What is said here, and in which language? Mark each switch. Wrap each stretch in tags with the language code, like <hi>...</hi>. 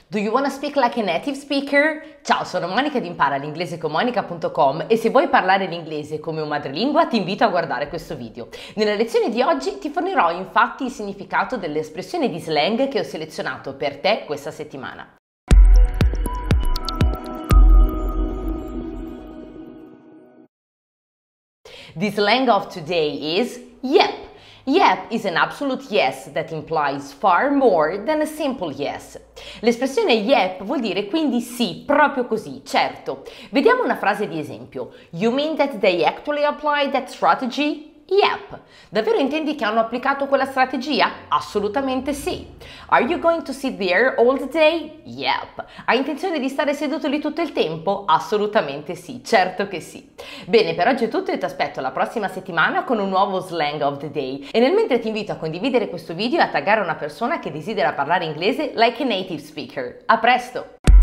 <en>Do you want to speak like a native speaker?</en> <it>Ciao, sono Monica di Impara l'inglese con monica.com e se vuoi parlare l'inglese come un madrelingua ti invito a guardare questo video. Nella lezione di oggi ti fornirò infatti il significato delle espressioni di slang che ho selezionato per te questa settimana.</it> <en>The slang of today is yep. Yep is an absolute yes that implies far more than a simple yes.</en> <it>L'espressione yep vuol dire quindi sì, proprio così, certo. Vediamo una frase di esempio.</it> <en>You mean that they actually applied that strategy? Yep.</en> <it>Davvero intendi che hanno applicato quella strategia? Assolutamente sì.</it> <en>Are you going to sit there all the day? Yep.</en> <it>Hai intenzione di stare seduto lì tutto il tempo? Assolutamente sì, certo che sì. Bene, per oggi è tutto e ti aspetto la prossima settimana con un nuovo</it> <en>slang of the day.</en> <it>E nel mentre ti invito a condividere questo video e a taggare una persona che desidera parlare inglese</it> <en>like a native speaker.</en> <it>A presto!</it>